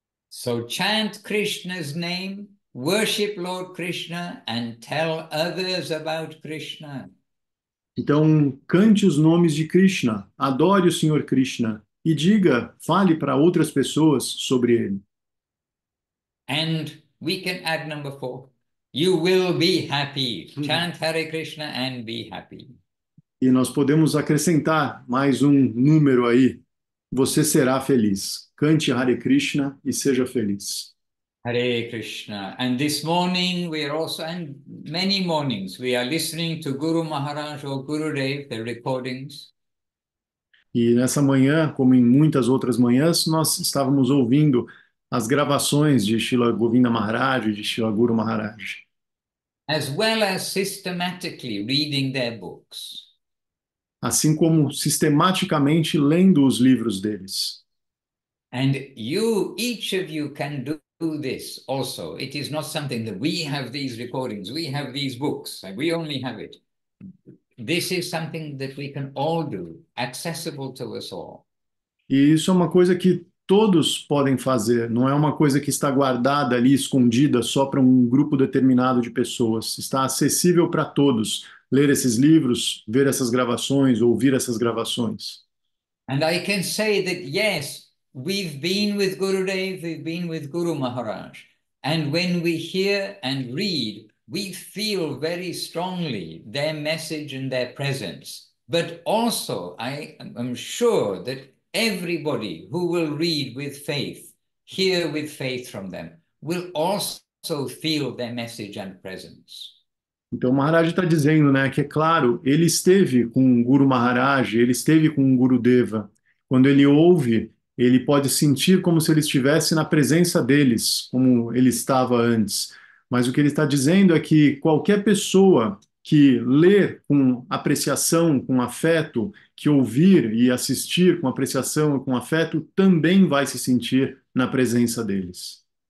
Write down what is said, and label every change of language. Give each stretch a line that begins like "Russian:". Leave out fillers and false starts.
English: So chant Krishna's name, worship Lord Krishna, and tell others about Krishna.
Portuguese: Então, cante os nomes de Krishna, adore o Senhor Krishna e diga, fale para outras pessoas sobre ele.
English: And we can add number 4. You will be happy. Chant Hare Krishna and be happy.
Portuguese: E nós podemos acrescentar mais um número aí. Você será feliz. Cante Hare Krishna e seja feliz.
English: Hare Krishna. And this morning we are also, and many mornings, we are listening to Guru Maharaj or Guru Dev, the recordings.
Portuguese: E nessa manhã, como em muitas outras manhãs, nós estávamos ouvindo as gravações de Srila Govinda Maharaj e de Srila Guru Maharaj.
English: As well as systematically reading their books.
Portuguese: Assim como sistematicamente lendo os livros deles.
English: And you, each of you, can do this also. It is not something that we have these recordings, we have these books, and we only have it. This is something that we can all do, accessible to us all.
Portuguese: E isso é uma coisa que todos podem fazer, não é uma coisa que está guardada ali, escondida, só para um grupo determinado de pessoas. Está acessível para todos, ler esses livros, ver essas gravações, ouvir essas gravações.
English: And I can say that, yes, we've been with Guru Dev, we've been with Guru Maharaj. And when we hear and read, we feel very strongly their message and their presence. But also, I am sure that everybody who will read with faith, hear with faith from them, will also feel their message and presence.
Portuguese: Então, o Maharaj está dizendo, né, que é claro, ele esteve com o Guru Maharaj, ele esteve com o Guru Deva. Quando ele ouve, ele pode sentir como se ele estivesse na presença deles, como ele estava antes. Mas o que ele está dizendo é que qualquer pessoa que ler com apreciação, com afeto, que ouvir e assistir com apreciação e com afeto, também vai se sentir na presença deles.